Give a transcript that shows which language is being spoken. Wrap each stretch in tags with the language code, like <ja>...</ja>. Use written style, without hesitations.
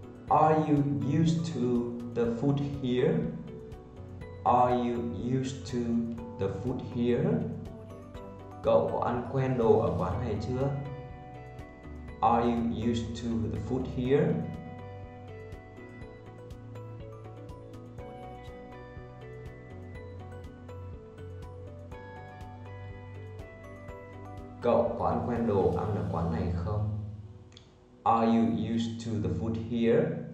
<en>Are you used to the food here? Are you used to the food here?</en> <vi>Cậu có ăn quen đồ ở quán này chưa?</vi> <en>Are you used to the food here?</en> <vi>Cậu có ăn quen đồ ăn ở quán này không?</vi> <en>Are you used to the food here?</en>